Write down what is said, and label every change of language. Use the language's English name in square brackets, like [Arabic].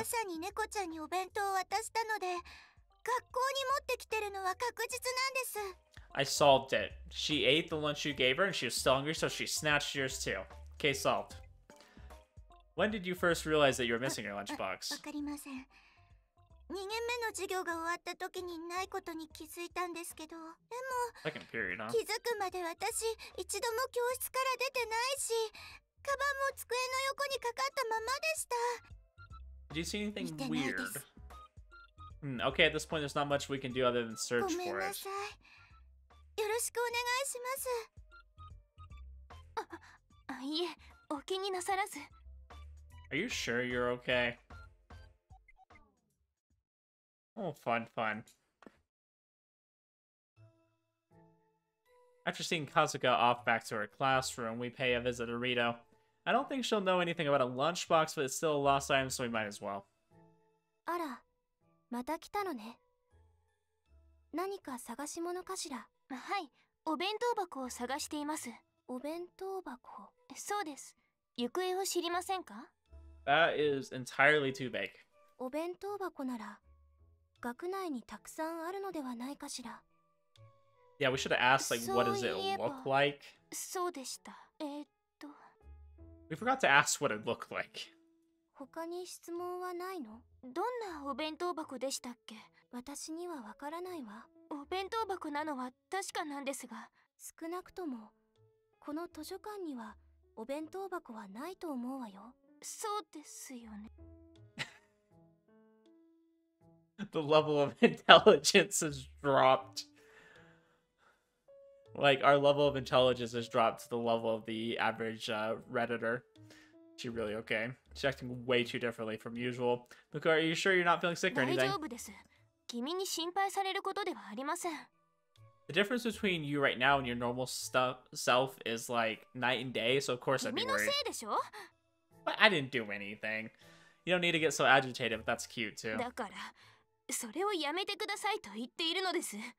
[Japanese] 朝にネコちゃんにお弁当を渡したので、学校に持ってきてるのは確実なんです。 [English] I solved it. She ate the lunch you gave her and she was still hungry, so she snatched yours too. Case solved. When did you first realize that you were missing your lunchbox? [Japanese] わかりません。 2年目の授業が終わった時にないことに気づいたんですけど、でも、 [English] Second period, huh? [Japanese] 気づくまで私一度も教室から出てないし、カバンも机の横にかかったままでした。 [English] Did you see anything weird? Okay, at this point, there's not much we can do other than search for it. [Japanese] ごめんなさい。よろしくお願いします。あ、いえ、お気になさらず。 [English] Are you sure you're okay? Oh, fun, fun. After seeing Kasuga off back to her classroom, we pay a visit to Rito. I don't think she'll know anything about a lunchbox, but it's still a lost item, so we might as well. [Japanese] あら、また来たのね。何か探し物かしら。はい、お弁当箱を探しています。お弁当箱。そうです。行方を知りませんか? [English] That is entirely too vague. [Japanese] お弁当箱なら、学内にたくさんあるのではないかしら。 [English] Yeah, we should have asked, like, what does it look like? [Japanese] そうでした。 [English] We forgot to ask what it looked like. [Japanese] 他に質問はないの? どんなお弁当箱でしたっけ? 私にはわからないわ。お弁当箱なのは確かなんですが。少なくとも、この図書館にはお弁当箱はないと思うわよ。そうですよね。 [English] The level of intelligence has dropped. Like, our level of intelligence has dropped to the level of the average, Redditor. She really okay. She's acting way too differently from usual. Muko, are you sure you're not feeling sick or anything? [Japanese] 大丈夫です。君に心配されることではありません。 [English] The difference between you right now and your normal self is like night and day, so of course I'd be worried. [Japanese] 君のせいでしょ? [English] But I didn't do anything. You don't need to get so agitated, but that's cute too. [Japanese] だから、それをやめてくださいと言っているのです。